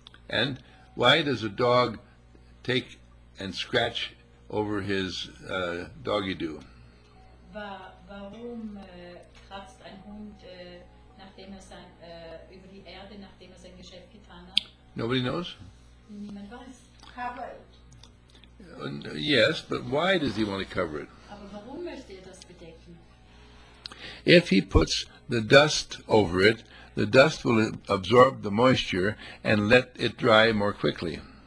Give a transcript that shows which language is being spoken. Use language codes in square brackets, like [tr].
[en] And why does a dog take and scratch over his doggy do? [de] Warum kratzt ein Hund nachdem er sein über die Erde nachdem er sein Geschäft getan hat? [en] Nobody knows. [de] Niemand weiß. [en] Cover it. Yes, but why does he want to cover it? [de] Aber warum möchte er das bedecken? [en] If he puts the dust over it, the dust will absorb the moisture and let it dry more quickly.